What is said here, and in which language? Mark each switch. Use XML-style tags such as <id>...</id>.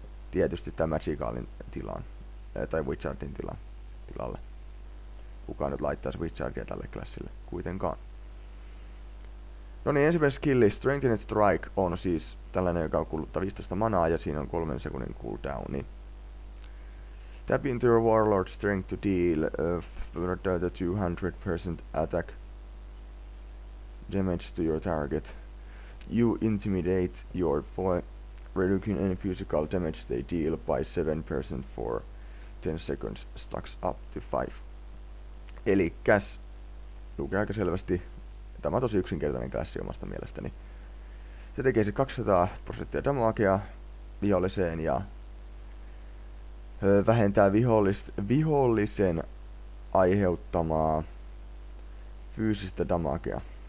<fi>Tietysti tämä Magicalin tilaan, tai Wizardin tilalle. Kukaan nyt laittaisi Wizardia tälle klassille kuitenkaan. No niin, ensimmäinen skilli, Strengthened Strike, on siis tällainen, joka kuluttaa 15 manaa ja siinä on 3 sekunnin cooldowni.</fi> <en>Tap into your warlord strength to deal 200% attack damage to your target. You intimidate your foe, reducing any physical damage they deal by 7% for 10 seconds, stacks up to 5.</en> <fi>Elikäs, lukee aika selvästi. Tämä on tosi yksinkertainen klassi omasta mielestäni. Se tekee se 200% damagea viholliseen ja vähentää vihollisen aiheuttamaa fyysistä damagea.</fi>